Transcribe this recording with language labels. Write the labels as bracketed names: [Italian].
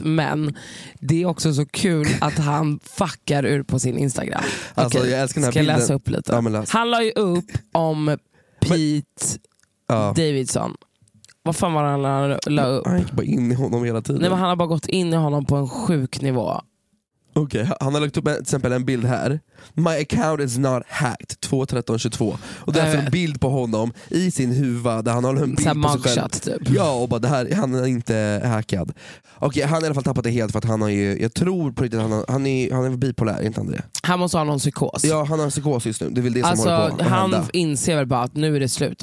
[Swedish] Men det är också så kul att han fuckar ur på sin Instagram. Alltså okay, jag älskar den här ska bilden. Ska läsa upp lite. Ja, men läs. Han la ju upp om Pete Davidson. Vad fan var han la upp? Han gick bara in i honom hela tiden. Nej men han har bara gått in i honom på en sjuk nivå. Okej, okay, han har lagt upp till exempel en bild här. [English] My account is not hacked 2/13/22. [Swedish] Och det är alltså en bild på honom i sin huva där han har en bild på sig själv. Typ. Ja, och bara det här, han är inte hackad. Okej, okay, han har i alla fall tappat det helt för att han har ju, jag tror på riktigt, han är bipolär, inte André? Han måste ha någon psykos. Ja, han har en psykos just nu. Det är väl det alltså, som håller på att hända. Alltså, han inser väl bara att nu är det slut.